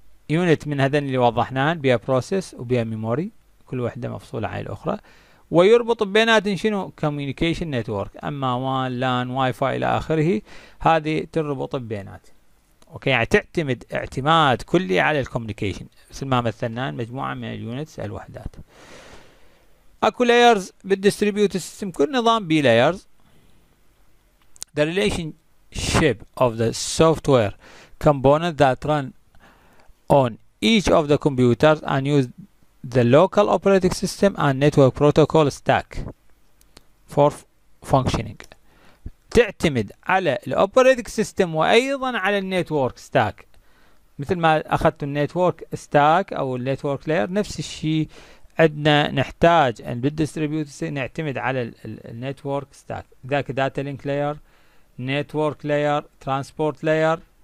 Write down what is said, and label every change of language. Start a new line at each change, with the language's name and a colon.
Arabic: يونت من هذين اللي وضحناهم بيها بروسيس وبيها ميموري، كل وحده مفصوله عن الاخرى، ويربط بينات شنو؟ كوميونيكيشن نتورك، اما وان لان واي فاي الى اخره، هذه تربط بينات. اوكي يعني تعتمد اعتماد كلي على الكوميونيكيشن، مثل ما مثلنا مجموعه من اليونتس الوحدات. اكو لايرز بالديستريبيوت سيستم، كل نظام بي لايرز.
English: The relationship of the software component that run on each of the computers and use the local operating system and network protocol stack for functioning.
Arabic: تعتمد على الاوبريتنج سيستم وايضا على النيتورك ستاك، مثل ما اخذت النيتورك ستاك او النيتورك لاير، نفس الشيء عندنا نحتاج ان بالديستريبيوت نعتمد على النيتورك ستاك، ذاك داتا لينك لاير، نيتورك لاير، ترانسبورت لاير.